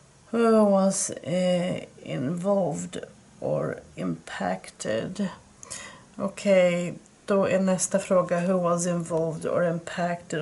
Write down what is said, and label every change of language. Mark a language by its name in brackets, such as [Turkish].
[English] Who was involved or impacted? [Swedish] Okej, okay, då är nästa fråga. [English] Who was involved or impacted?